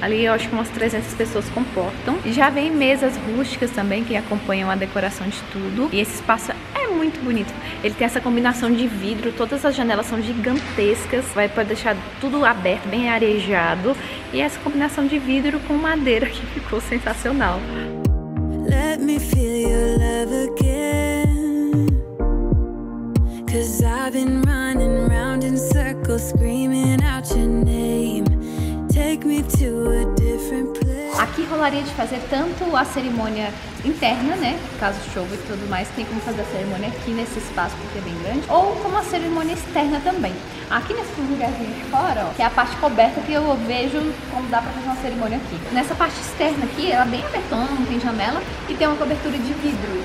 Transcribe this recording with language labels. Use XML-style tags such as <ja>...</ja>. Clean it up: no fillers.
<pt>Ali eu acho que umas 300 pessoas comportam. Já vem mesas rústicas também, que acompanham a decoração de tudo. E esse espaço é muito bonito. Ele tem essa combinação de vidro, todas as janelas são gigantescas. Vai pra deixar tudo aberto, bem arejado. E essa combinação de vidro com madeira, que ficou sensacional.</pt> <en>Let me feel your love again. Cause I've been running round in circles, screaming out your name. Take me to a different place.</en> <pt>Aqui rolaria de fazer tanto a cerimônia interna, né? Caso chova e tudo mais, tem como fazer a cerimônia aqui nesse espaço, porque é bem grande. Ou como a cerimônia externa também. Aqui nesse lugarzinho de fora, ó, que é a parte coberta que eu vejo como dá pra fazer uma cerimônia aqui. Nessa parte externa aqui, ela é bem abertona, não tem janela. E tem uma cobertura de vidro.</pt>